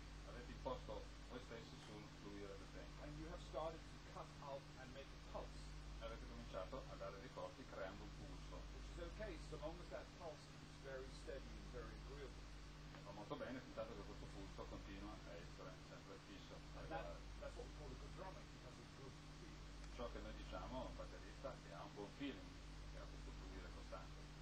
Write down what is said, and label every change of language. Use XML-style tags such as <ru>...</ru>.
<it>Avete imposto voi stessi sul fluire del tempo.</it> <en>And you have started to cut out and make a pulse.</en> <it>Avete cominciato a dare dei corpi creando un pulso.</it> <en>Which is okay, so long as that pulse is very steady and very agreeable.</en> <it>Va molto bene, intanto che questo pulso continua a essere sempre fisso.</it> <en>That's what we call a good drummer, because it's good feeling.</en> <it>Ciò che noi diciamo, un batterista, che ha un buon feeling, che ha questo fluire costante.</it>